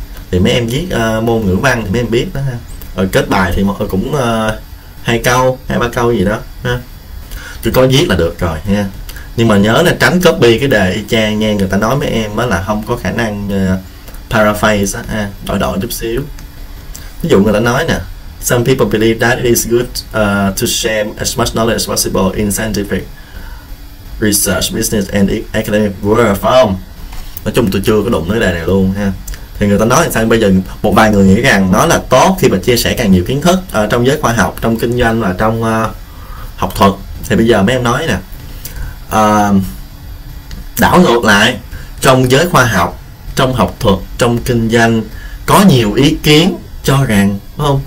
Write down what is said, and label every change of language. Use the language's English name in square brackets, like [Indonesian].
[Vietnamese] Thì mấy em viết môn ngữ văn thì mấy em biết đó ha. Rồi kết bài thì cũng 2 câu, 2 3 câu gì đó ha. Chỉ có viết là được rồi ha. Nhưng mà nhớ là tránh copy cái đề y chang nha, người ta nói mấy em mới là không có khả năng paraphrase á, đổi đổi chút xíu. Ví dụ người ta nói nè, [English] some people believe that it is good to share as much knowledge possible in scientific research, business and academic world, [Vietnamese] phải không? Nói chung tôi chưa có đụng tới đề này luôn ha. Thì người ta nói là sao, bây giờ một vài người nghĩ rằng nó là tốt khi mà chia sẻ càng nhiều kiến thức trong giới khoa học, trong kinh doanh và trong học thuật. Thì bây giờ mấy em nói nè, đảo ngược lại, trong giới khoa học, trong học thuật, trong kinh doanh có nhiều ý kiến cho rằng, đúng không?